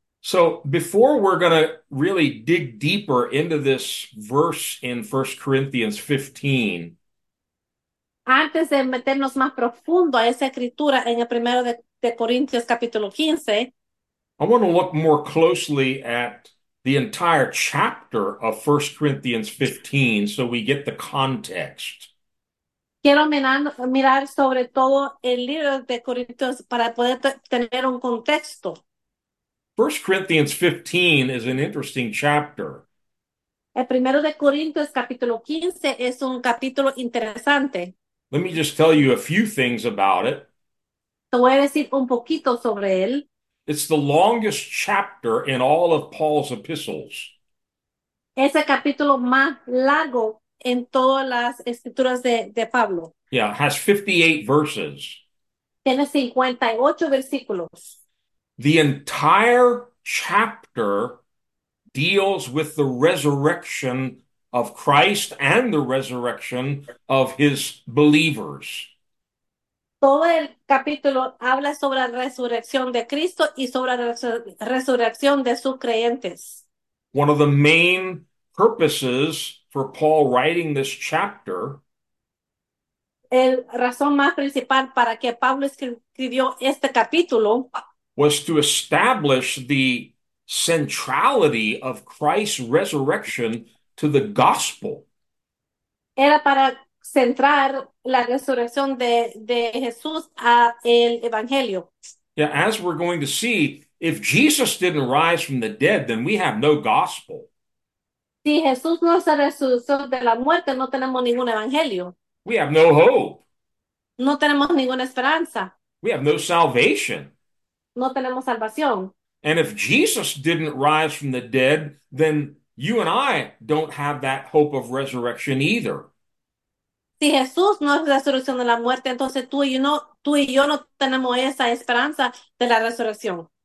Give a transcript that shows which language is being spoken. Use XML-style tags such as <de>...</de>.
<en>So before we're going to really dig deeper into this verse in 1 Corinthians 15,</en> <es>Antes de meternos más profundo a esa escritura en el primero de Corintios capítulo 15.</es> <en>I want to look more closely at the entire chapter of 1 Corinthians 15 so we get the context.</en> <es>Quiero mirar sobre todo el libro de Corintios para poder tener un contexto.</es> <en>1 Corinthians 15 is an interesting chapter.</en> <es>El primero de Corintios capítulo 15 es un capítulo interesante.</es> <en>Let me just tell you a few things about it.</en> <es>Te voy a decir un poquito sobre él.</es> <en>It's the longest chapter in all of Paul's epistles.</en> <es>Es el capítulo más largo en todas las escrituras de Pablo.</es> <en>Yeah, it has 58 verses.</en> <es>Tiene 58 versículos.</es> <en>The entire chapter deals with the resurrection of Christ and the resurrection of his believers.</en> <es>Todo el capítulo habla sobre la resurrección de Cristo y sobre la resurrección de sus creyentes.</es> <en>One of the main purposes for Paul writing this chapter.</en> <es>La razón más principal para que Pablo escribió este capítulo</es> <en>Was to establish the centrality of Christ's resurrection to the gospel.</en> <es>era para centrar la resurrección de Jesús a el Evangelio.</es> <en>Yeah, as we're going to see, if Jesus didn't rise from the dead, then we have no gospel.</en> <es>Si Jesús no se resucitó de la muerte, no tenemos ningún Evangelio.</es> <en>We have no hope.</en> <es>No tenemos ninguna esperanza.</es> <en>We have no salvación.</en> <es>No tenemos salvación.</es> <en>And if Jesus didn't rise from the dead, then you and I don't have that hope of resurrection either.</en> <es>Si Jesús no es la resurrección de la muerte, entonces tú y yo no tenemos esa esperanza de la resurrección.</es>